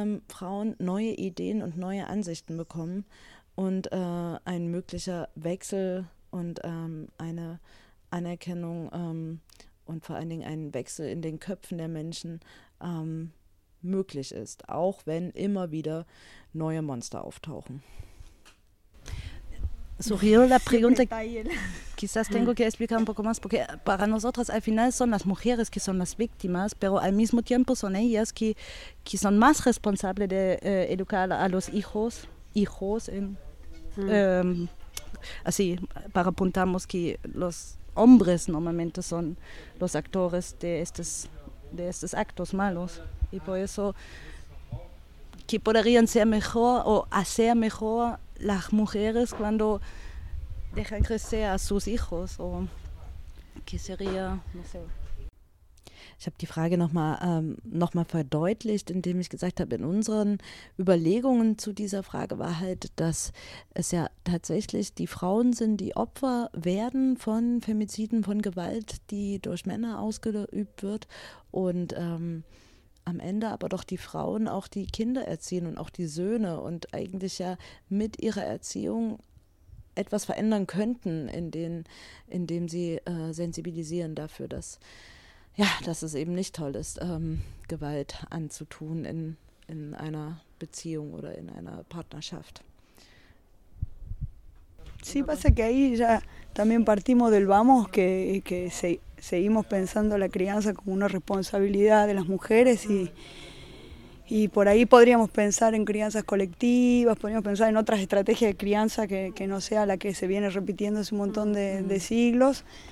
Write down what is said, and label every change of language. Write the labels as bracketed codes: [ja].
[de] Frauen neue Ideen und neue Ansichten bekommen und ein möglicher Wechsel und eine Anerkennung und vor allen Dingen ein Wechsel in den Köpfen der Menschen möglich ist, auch wenn immer wieder neue Monster auftauchen. [es] Surreal la pregunta. Quizás tengo que explicar un poco más, porque para nosotras al final son las mujeres que son las víctimas, pero al mismo tiempo son ellas que son más responsables de educar a los hijos en, así, para apuntarnos que los hombres normalmente son los actores de estos actos malos. Y por eso, ¿qué podrían ser mejor o hacer mejor las mujeres cuando dejan crecer a sus hijos? O ¿qué sería? No sé. [de] Ich habe die Frage nochmal verdeutlicht, indem ich gesagt habe, in unseren Überlegungen zu dieser Frage war halt, dass es ja tatsächlich die Frauen sind, die Opfer werden von Femiziden, von Gewalt, die durch Männer ausgeübt wird. Und am Ende aber doch die Frauen auch die Kinder erziehen und auch die Söhne und eigentlich ja mit ihrer Erziehung etwas verändern könnten, indem sie sensibilisieren dafür, dass es eben nicht toll ist, Gewalt anzutun in einer Beziehung oder in einer Partnerschaft. [es] Sí, pasa que ahí ya también partimos del vamos, que seguimos pensando la crianza como una responsabilidad de las mujeres y por ahí podríamos pensar en crianzas colectivas, podríamos pensar en otras estrategias de crianza que no sea la que se viene repitiendo hace un montón de siglos.